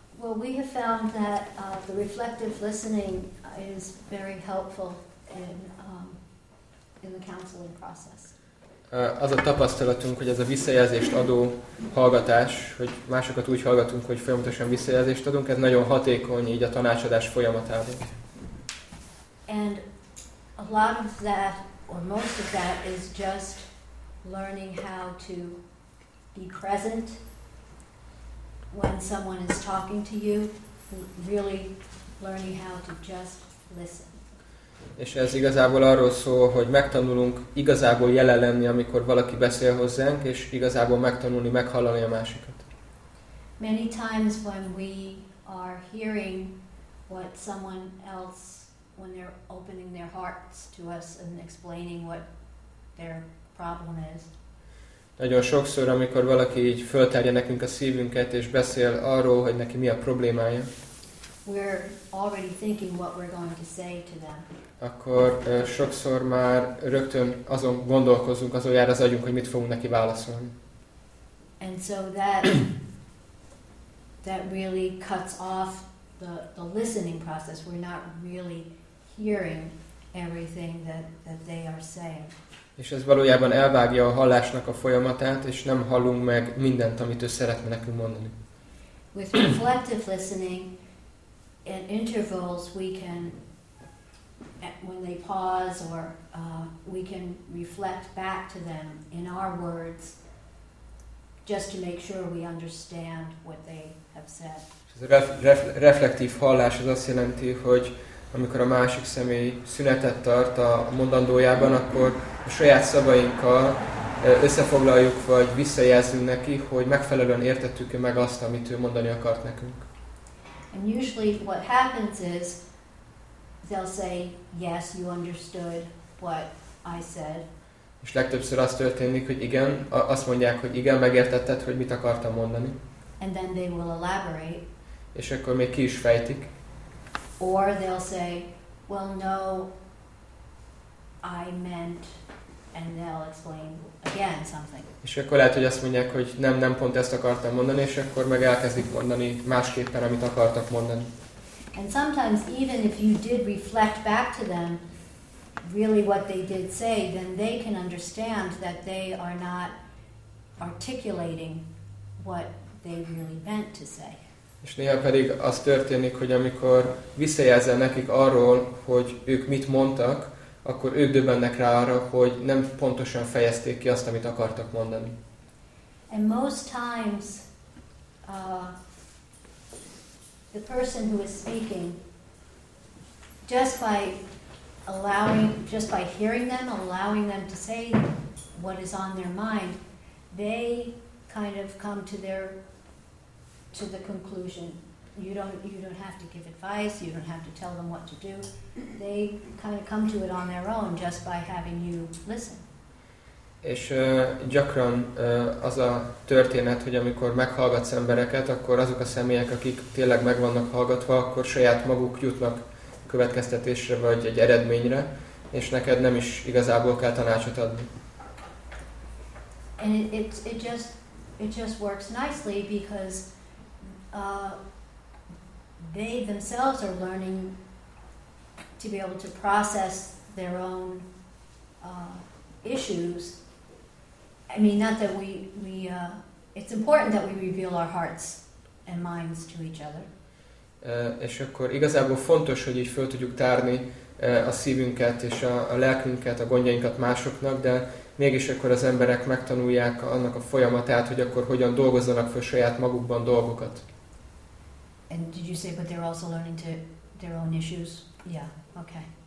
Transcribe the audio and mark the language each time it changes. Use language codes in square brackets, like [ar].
[en] Well, we have found that the reflective listening is very helpful in the counseling process. [hu] Az a tapasztalatunk, hogy ez a visszajelzést adó hallgatás, hogy másokat úgy hallgatunk, hogy folyamatosan visszajelzést adunk, ez nagyon hatékony így a tanácsadás folyamatában. [en] And a lot of that, or most of that, is just learning how to be present when someone is talking to you, really learning how to just listen. [hu] És ez igazából arról szól, hogy megtanulunk igazából jelen lenni, amikor valaki beszél hozzánk, és igazából megtanulni, meghallani a másikat. [en] Many times when we are hearing what someone else, when they're opening their hearts to us and explaining what their problem is. [hu] Nagyon sokszor, amikor valaki így föltárja nekünk a szívünket és beszél arról, hogy neki mi a problémája, [en] we're already thinking what we're going to say to them. [hu] Akkor sokszor már rögtön azon gondolkozunk, azon jár az agyunk, hogy mit fogunk neki válaszolni. [en] And so that really cuts off the listening process. We're not really hearing everything that they are saying. [hu] És ez valójában elvágja a hallásnak a folyamatát, és nem hallunk meg mindent, amit ő szeretne nekünk mondani. [en] With reflective listening, at intervals we can, when they pause, or we can reflect back to them in our words, just to make sure we understand what they have said. [hu] Ez a reflektív hallás az azt jelenti, hogy amikor a másik személy szünetet tart a mondandójában, akkor a saját szavainkkal összefoglaljuk, vagy visszajelzünk neki, hogy megfelelően értettük-e meg azt, amit ő mondani akart nekünk. [en] And usually what happens is they'll say, yes, you understood what I said. [hu] És legtöbbször az történik, hogy igen, azt mondják, hogy igen, megértetted, hogy mit akartam mondani. [en] And then they will elaborate. [hu] És akkor még ki is fejtik. [en] Or they'll say, well, no, I meant, and they'll explain again something. [hu] És akkor lehet, hogy azt mondják, hogy nem, nem pont ezt akartam mondani, és akkor meg elkezdik mondani másképpen, amit akartak mondani. [en] And sometimes, even if you did reflect back to them, really what they did say, then they can understand that they are not articulating what they really meant to say. [hu] És néha pedig az történik, hogy amikor visszajelzel nekik arról, hogy ők mit mondtak, akkor ők döbbennek rá arra, hogy nem pontosan fejezték ki azt, amit akartak mondani. [en] And most times the person who is speaking, just by allowing, just by hearing them, allowing them to say what is on their mind, they kind of come to their, to the conclusion. You don't have to give advice, you don't have to tell them what to do. They kind of come to it on their own just by having you listen. [hu] És gyakran az a történet, hogy amikor meghallgatsz embereket, akkor azok a személyek, akik tényleg meg vannak hallgatva, akkor saját maguk jutnak következtetésre vagy egy eredményre, és neked nem is igazából kell tanácsot adni. [en] And it just works nicely because they themselves are learning to be able to process their own issues. I mean, not that it's important that we reveal our hearts and minds to each other. [hu] És akkor igazából fontos, hogy így föl tudjuk tárni a szívünket és a lelkünket, a gondjainkat másoknak, de mégis akkor az emberek megtanulják annak a folyamatát, hogy akkor hogyan dolgozzanak föl saját magukban dolgokat. [en] And did you say that they're also learning to their own issues? Yeah, okay.